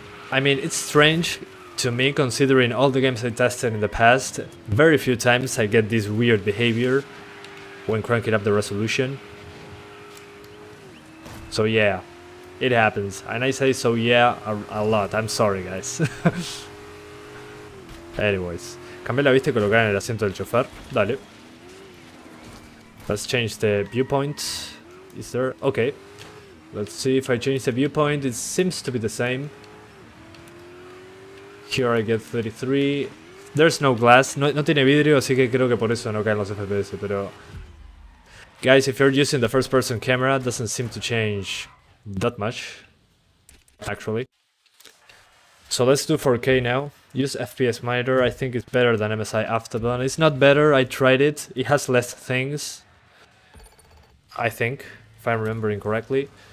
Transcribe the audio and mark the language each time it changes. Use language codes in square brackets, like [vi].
[en] I mean, it's strange to me considering all the games I tested in the past. Very few times I get this weird behavior when cranking up the resolution. So yeah. It happens, and I say so yeah a lot, I'm sorry guys. Anyways, [es] cambié la vista y colocar en el asiento del chofer, dale. [en] Let's change the viewpoint, is there? Okay. Let's see if I change the viewpoint, it seems to be the same. Here I get 33, there's no glass, [es] no tiene vidrio, así que creo que por eso no caen los FPS, pero... [en] Guys, if you're using the first person camera, doesn't seem to change that much, actually. So let's do 4K now. Use FPS monitor, I think it's better than MSI Afterburn. It's not better, I tried it. It has less things, I think, if I'm remembering correctly.